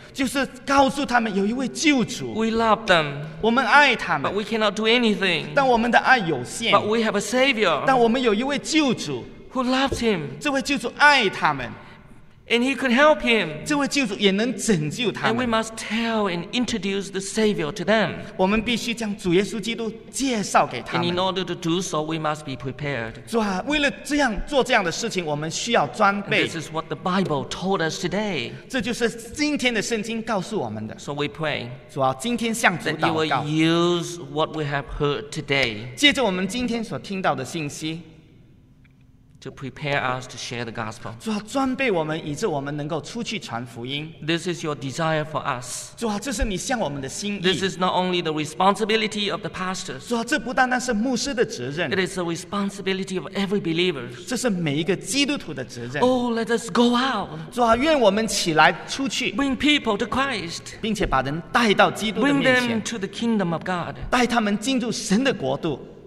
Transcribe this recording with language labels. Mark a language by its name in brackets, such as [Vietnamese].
[Chinese] 就是告诉他们有一位救主。 [English] We love them， [Chinese] 我们爱他们 [English] ，but we cannot do anything， [Chinese] 但我们的爱有限 [English] ，but we have a Savior， [Chinese] 但我们有一位救主。 [English] Who loves him? [Chinese] 这位救主爱他们。 [English] And he could help him. [Chinese] 这位救主也能拯救他们。 [English] And we must tell and introduce the Savior to them. [Chinese] 我们必须将主耶稣基督介绍给他们。 [English] And in order to do so, we must be prepared. [Chinese] 主啊，为了这样做这样的事情，我们需要装备。 [English] This is what the Bible told us today. [Chinese] 这就是今天的圣经告诉我们的。 [English] So we pray. [Chinese] 主啊，今天向主祷告。 [English] That you will use what we have heard today. [Chinese] 借着我们今天所听到的信息。 [English] To prepare us to share the gospel. [Chinese] 主啊，装备我们，以致我们能够出去传福音。 [English] This is your desire for us. [Chinese] 主啊，这是你向我们的心意。 [English] This is not only the responsibility of the pastors. [Chinese] 主啊，这不单单是牧师的责任。 [English] It is the responsibility of every believer. [Chinese] 这是每一个基督徒的责任。 [English] Oh, let us go out. [Chinese] 主啊，愿我们起来出去。 [English] Bring people to Christ. [Chinese] 并且把人带到基督的面前。 [English] Bring them to the kingdom of God. [Chinese] 带他们进入神的国度。